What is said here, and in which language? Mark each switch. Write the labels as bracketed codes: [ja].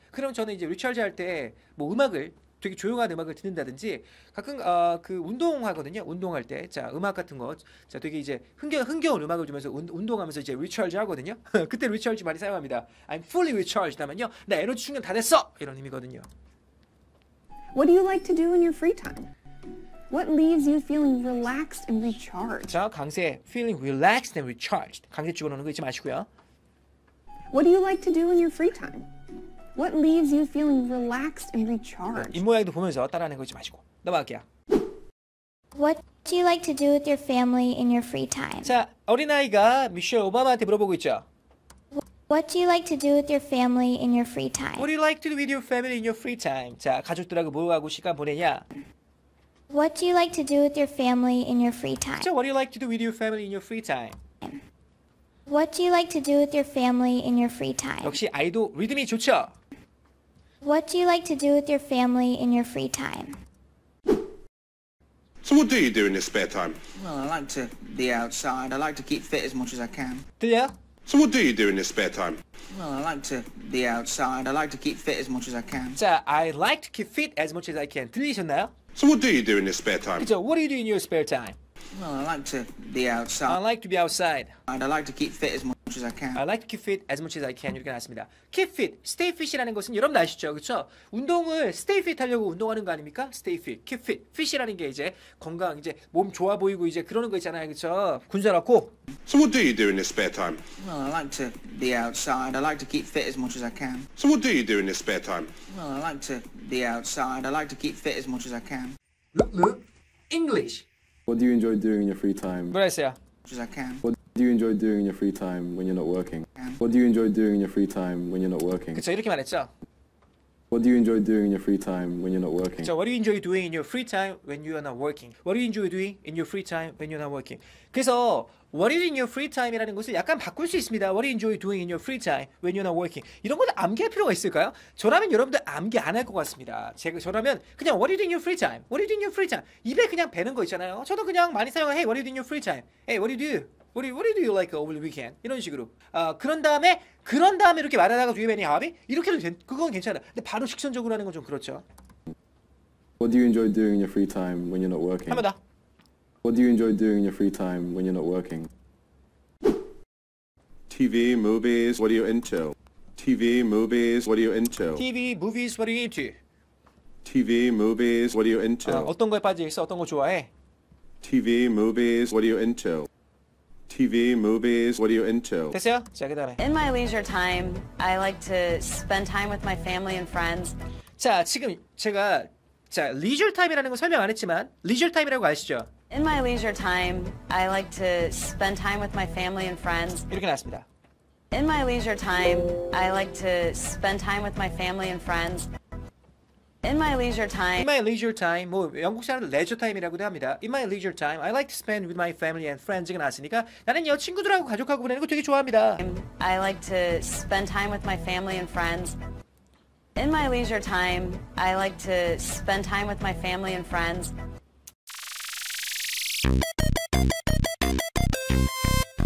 [ko] 그럼 저는 이제 리차지 할 때 뭐 음악을 되게 조용한 음악을 듣는다든지 가끔 그 운동하거든요. 운동할 때 자 음악 같은 거 자 되게 이제 흥겨운 음악을 주면서 운동하면서 이제 리차지 하거든요. 그때 리차지 많이 사용합니다. [en] I'm fully recharged [ko] 하면요. 나 에너지 충전 다 됐어. 이런 의미거든요. [en] What do you like to do in your free time? What leaves you feeling relaxed and recharged? [ko] 자, 강세. [en] Feeling relaxed and recharged. [ko] 강세 집어넣는 거 잊지 마시고요. [en] What do you like to do in your free time? What leaves you feeling relaxed and recharged? [ko] 입 모양도 보면서 따라하는 거 잊지 마시고. 넘어갈게요. [en] What do you like to do with your family in your free time? [ko] 자, 어린아이가 미셸 오바마한테 물어보고 있죠. [en] What do you like to do with your family in your free time? What do you like to do with your family in your free time? [ko] 자, 가족들하고 뭐하고 시간 보내냐? [en] What do you like to do with your family in your free time? So what do you like to do with your family in your free time? What do you like to do with your family in your free time? [ko] 역시 아이도 리듬이 좋죠. [en] What do you like to do with your family in your free time? So what do you do in your spare time? Well, I like to be outside. I like to keep fit as much as I can. [ko] 들려? [en] So what do you do in your spare time? Well, I like to be outside. I like to keep fit as much as I can. So I like to keep fit as much as I can. [ko] 들리셨나요? [en] So what do you do in your spare time? So what do you do in your spare time? Well, I like to be outside. I like to be outside. And I like to keep fit as much as I can. I like to keep fit as much as I can. [ko] 이렇게 나왔습니다. [en] Keep fit, stay fit이라는 것은 여러분 아시죠? 그렇죠? [ko] 운동을 stay fit 하려고 운동하는 거 아닙니까? Stay fit, keep fit. Fit이라는 게 이제 건강, 이제 몸 좋아 보이고 이제 그러는 거 있잖아요. 그렇죠? 군살 없고. [en] So what do you do in your spare time? Well, I like to be outside. I like to keep fit as much as I can. So what do you do in your spare time? Well, I like to be outside. I like to keep fit as much as I can. English. What do you enjoy doing in your free time? What I say? As I can. What What do you enjoy doing in your free time when you're not working? What do you enjoy doing in your free time when you're not working? [ko] 그쵸, 이렇게 말했죠. [en] What do you enjoy doing in your free time when you're not working? [ko] 그쵸, [en] what do you enjoy doing in your free time when you're not working? What do you enjoy doing in your free time when you're not working? [ko] 그래서 [en] what is in your free time [ko] 이라는 것을 약간 바꿀 수 있습니다. [en] What do you enjoy doing in your free time when you're not working? [ko] 이런 것도 암기할 필요가 있을까요? 저라면 여러분들 암기 안 할 것 같습니다. 저라면 그냥 [en] what do you do in your free time? What do you do in your free time? [ko] 입에 그냥 배는 거 있잖아요. 저도 그냥 많이 사용해. [en] Hey, what do you do in your free time? Hey, what do you do? What do you like over the weekend? [ko] 이런 식으로. 그런 다음에 이렇게 말하다가 위에 매니 하비 이렇게도 그건 괜찮아. 근데 바로 직선적으로 하는 건 좀 그렇죠. [en] What do you enjoy doing in your free time when you're not working? [ko] 한번 더. [en] What do you enjoy doing in your free time when you're not working? TV, movies. What are you into? TV, movies. What are you into? TV, movies. What are you into? TV, movies. What are you into? [ko] 어떤 거에 빠져 있어? 어떤 거 좋아해? [en] TV, movies. What are you into? TV, movies, what are you into? [ko] 됐어요? 자, 그 다음에. [en] In my leisure time, I like to spend time with my family and friends. [ko] 자, 지금 제가 자 leisure time이라는 거 설명 안 했지만 leisure time이라고 아시죠? [en] In my leisure time, I like to spend time with my family and friends. [ko] 이렇게 나왔습니다. [en] In my leisure time, I like to spend time with my family and friends. In my leisure time. In my leisure time. [ko] 뭐 영국 사람들 [en] leisure time이라고도 합니다. In my leisure time, I like to spend with my family and friends. [ko] 이거 나왔으니까 나는 여 친구들하고 가족하고 보내는 거 되게 좋아합니다. [en] I like to spend time with my family and friends. In my leisure time, I like to spend time with my family and friends.